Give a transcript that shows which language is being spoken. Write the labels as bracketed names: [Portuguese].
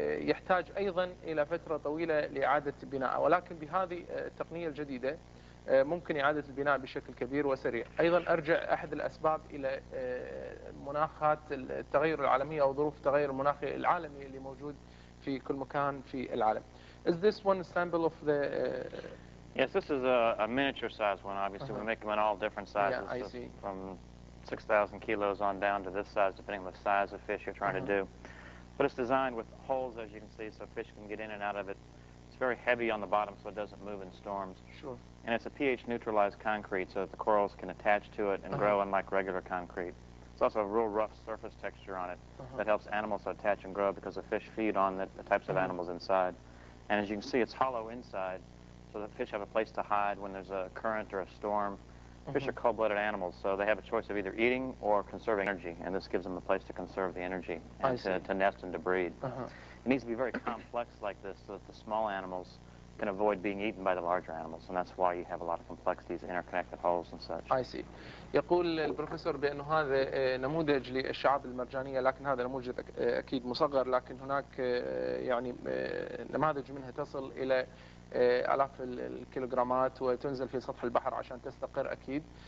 [Arabic] يحتاج أيضا إلى فترة طويلة لإعادة بنائها ولكن بهذه التقنية الجديدة ممكن إعادة البناء بشكل كبير وسريع أيضا أرجع أحد الأسباب إلى مناخات التغير العالمي أو ظروف التغير المناخي العالمي اللي موجود في كل مكان في العالم [English] Is this one a sample of the... Yes, this is a miniature size one, obviously. Uh-huh. We make them in all different sizes. Yeah, I see. From 6,000 kilos on down to this size, depending on the size of fish you're trying uh-huh. to do. But it's designed with holes, as you can see, so fish can get in and out of it. It's very heavy on the bottom, so it doesn't move in storms. Sure. And it's a pH-neutralized concrete, so that the corals can attach to it and uh-huh. grow unlike regular concrete. It's also a real rough surface texture on it uh-huh. that helps animals attach and grow because the fish feed on the types uh-huh. of animals inside. And as you can see, it's hollow inside, so the fish have a place to hide when there's a current or a storm. Mm-hmm. Fish are cold-blooded animals, so they have a choice of either eating or conserving energy, and this gives them a place to conserve the energy and to nest and to breed. Uh-huh. It needs to be very complex like this so that the small animals can avoid being eaten by the larger animals, and that's why you have a lot of complexities, interconnected holes and such. I see. [Arabic] يقول البروفيسور بأنه هذا نموذج للشعاب المرجانية لكن هذا نموذج أكيد مصغر لكن هناك يعني نماذج منها تصل إلى آلاف الكيلوغرامات وتنزل في سطح البحر عشان تستقر أكيد